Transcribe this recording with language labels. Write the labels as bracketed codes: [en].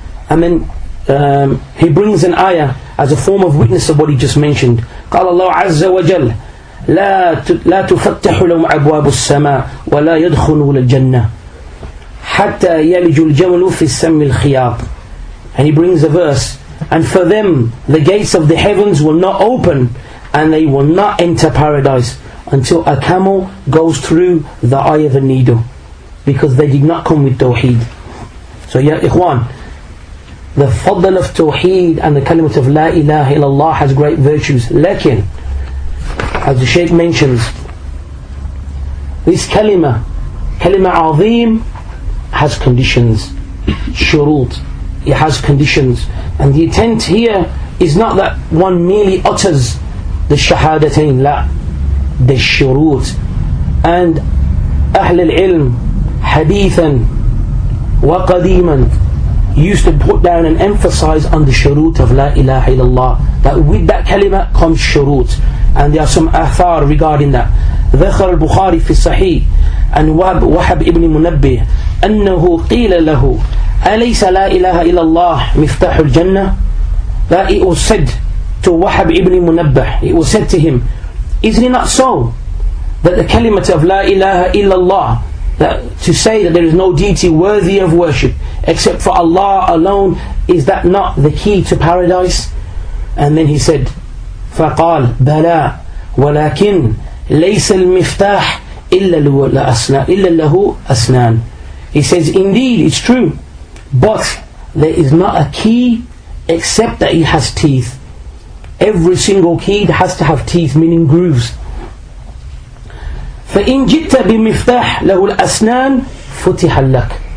[en] And then he brings an ayah as a form of witness of what he just mentioned. [ar] قال الله عز وجل لا تفتح لهم أبواب السماء ولا يدخلون الجنة حتى يلج الجمل في السم الخياط. [en] And he brings a verse, and for them the gates of the heavens will not open and they will not enter paradise until a camel goes through the eye of a needle, because they did not come with tawheed. So ya ikhwan, the fadl of tawheed and the kalimat of la ilaha illallah has great virtues. Lakin, as the shaykh mentions, this kalima azim has conditions, shurut, it has conditions. And the intent here is not that one merely utters the shahadatain, la, the shurut. And ahl al-ilm, hadithan wa qadiman, used to put down and emphasize on the shurut of la ilaha illallah, that with that kalima comes shurut. And there are some athar regarding that. [ar] Dhakhar al-Bukhari fi sahih and Wahab ibn Munabbih أنه قيل له أليس لا إله إلا الله مفتاح الجنة. [en] That it was said to Wahab ibn Munabbah, it was said to him, isn't it not so that the kalimat of la ilaha illallah, that to say that there is no deity worthy of worship except for Allah alone, is that not the key to paradise? [ar] And then he said, فقال بلى ولكن ليس المفتاح إلا له أسنان. [en] He says, indeed, it's true, but there is not a key except that he has teeth. Every single key has to have teeth, meaning grooves. [ar] فَإِن جِئْتَ بِمِفْتَاحْ لَهُ الْأَسْنَانِ فُتِحَ لَكْ.